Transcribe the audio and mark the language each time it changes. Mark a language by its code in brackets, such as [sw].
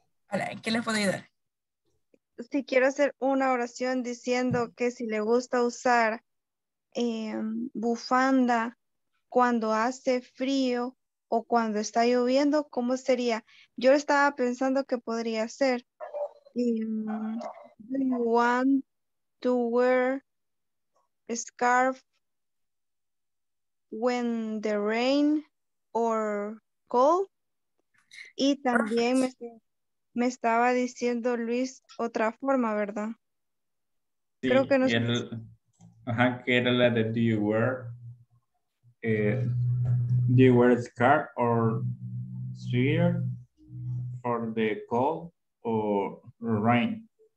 [es] Hola, ¿qué les puedo ayudar? Si quiero hacer una oración diciendo que si le gusta usar bufanda cuando hace frío o cuando está lloviendo, ¿cómo sería? Yo estaba pensando que podría ser. [en] Do you want to wear a scarf when the rain or cold? [es] Y también me estaba diciendo Luis otra forma, ¿verdad? Sí, creo que no. Que era la de [en] do you wear a scarf or sweater for the cold or rain?